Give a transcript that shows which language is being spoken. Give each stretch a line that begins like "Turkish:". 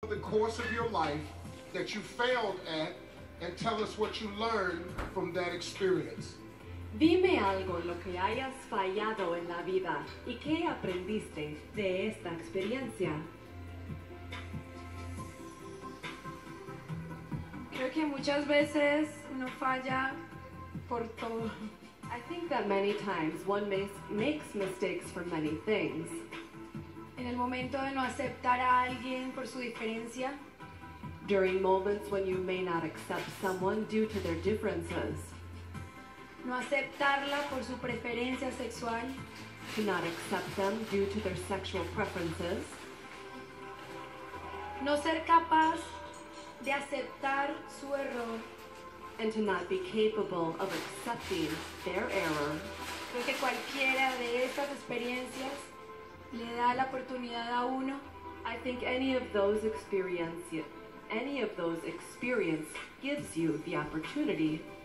English: the course of your life that you failed at and tell us what you learned from that experience.
Spanish: Dime algo en lo que hayas fallado en la vida y qué aprendiste de esta experiencia. Creo que muchas veces uno falla por todo.
English: I think that many times one makes mistakes for many things.
Spanish: En el momento de no aceptar a alguien por su diferencia.
English: During moments when you may not accept someone due to their differences.
Spanish: No aceptarla por su preferencia sexual.
English: To not accept them due to their sexual preferences.
Spanish: No ser capaz de aceptar su error.
English: And to not be capable of accepting their error.
Spanish: Creo que cualquiera de esas experiencias le da la oportunidad a uno.
English: I think any of those experiences gives you the opportunity